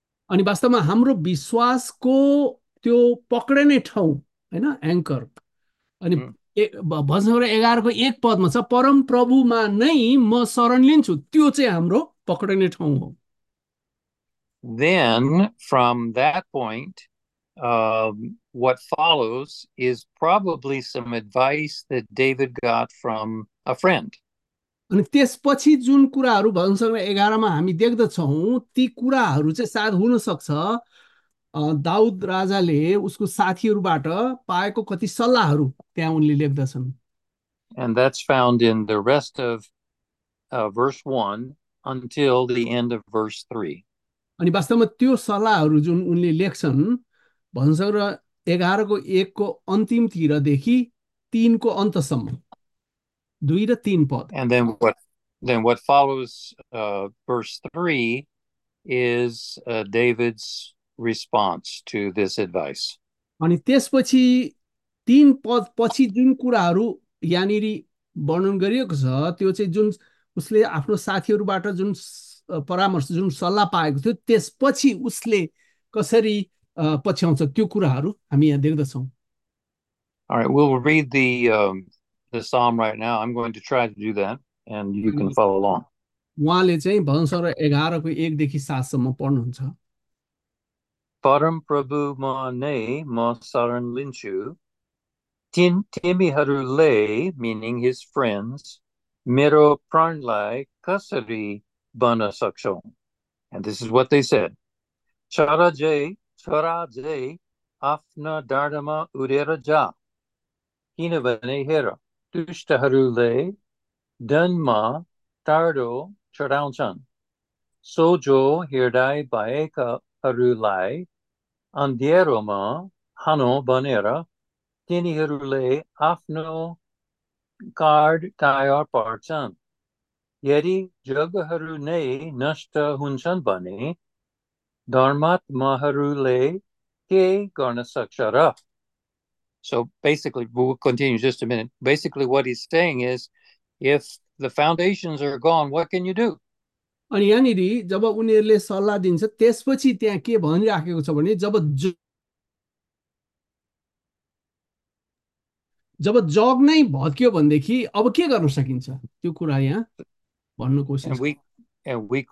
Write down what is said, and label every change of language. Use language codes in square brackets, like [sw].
[ne] अनि वास्तवमा हाम्रो विश्वासको त्यो पक्रिने ठाउँ होइन एङ्कर, अनि भजन सङ्ग्रह 11 को एक पदमा छ, परम प्रभुमा नै म शरण लिन्छु, त्यो चाहिँ हाम्रो पक्रिने ठाउँ हो। [en] Then from that point, what follows is probably some advice that David got from a friend. [ne] अनि त्यसपछि जुन कुराहरू भजन सङ्ग्रह 11 मा हामी देख्दछौँ ती कुराहरू चाहिँ सायद हुनसक्छ दाउद राजाले उसको साथीहरूबाट पाएको कति सल्लाहहरू त्यहाँ उनले लेख्दछन्। [en] And that's found in the rest of verse 1 until the end of verse 3. [ne] अनि वास्तवमा त्यो सल्लाहहरू जुन उनले लेख्छन् भजन सङ्ग्रह 11 को 1 को अन्तिमतिरदेखि 3 को अन्तसम्म 2 र 3 पद। [en] And then what follows verse 3 is David's response to this advice. [ne] अनि त्यसपछि 3 पद पछि जुन कुराहरू यहाँनिर वर्णन गरिएको छ त्यो चाहिँ जुन उसले आफ्नो साथीहरूबाट जुन परामर्श जुन सल्लाह पाएको थियो त्यसपछि उसले कसरी पछ्याउँछ त्यो कुराहरू हामी यहाँ देख्दछौँ। [en] All right, we'll read the psalm right now. I'm going to try to do that, and you can [ne] अनि [en] follow along. [ne] उहाँले चाहिँ भजन सङ्ग्रह 11 को 1 देखि 7 सम्म पढ्नुहुन्छ। Param Prabhu ma ne ma saran linchu. Tin timi haru le, [en] meaning his friends, [ne] मेरो प्राणलाई कसरी बन सक्छौ? [en] And this is what they said. [ne] छोरा जय आफ्ना डाँडामा उडेर जा, किनभने हेर दुष्टहरूले धनमा टाढो चढाउँछन्, सोझो हृदय भएकाहरूलाई अँध्यारोमा हानो भनेर तिनीहरूले आफ्नो कार्ड तयार पार्छन्। यदि जगहरू नै नष्ट हुन्छन् भने धर्मात्माहरूले के गर्न सक्छ र? [en] So basically, we'll continue just a minute. Basically, what he's saying is, if the foundations are gone, what can you do? [ne] अनि यहाँनिर जब उनीहरूले सल्लाह दिन्छ त्यसपछि त्यहाँ के भनिराखेको छ भने जब जग नै भत्कियो भनेदेखि अब के गर्न सकिन्छ, त्यो कुरा यहाँ भन्न कोसिस